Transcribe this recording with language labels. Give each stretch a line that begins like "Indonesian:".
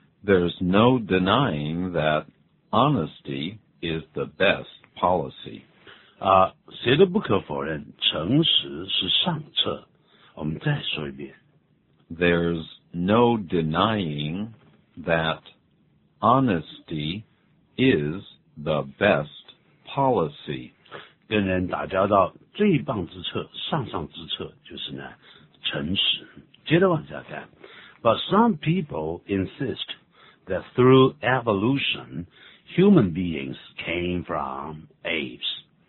English: There's no denying that honesty is the best policy.
Chinese: 谁都不可否认，诚实是上策。我们再说一遍。
English: There's no denying that honesty is the best policy.
Chinese: 跟人打交道最棒之策，上上之策就是呢，诚实。接着往下看。
English: But some people insist that through evolution, human beings came from apes.